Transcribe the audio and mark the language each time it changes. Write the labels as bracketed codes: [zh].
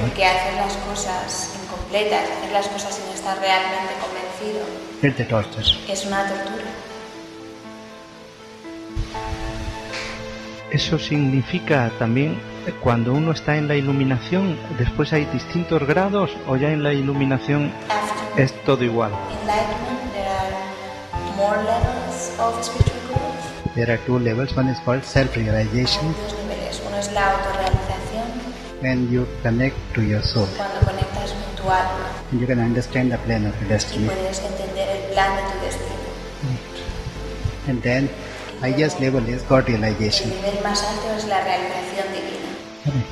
[es] Porque hacer las cosas incompletas, hacer las cosas sin estar realmente convencido. [en] It's a torture. [es] Es una tortura. Eso significa también, cuando uno está en la iluminación, después hay distintos grados, o ya en la iluminación es todo igual. [en] Enlightenment, there are more levels of spiritual growth. There are two levels. One is called self-realization. [es] Dos niveles. Uno es la autorrealización. [en] When you connect to your soul. [es] Cuando conectas con tu alma. [en] And you can understand the plan of your destiny. [es] Y puedes entender el plan de tu destino. [en] And then, highest level is God realization. [es] El nivel más alto es la realización divina.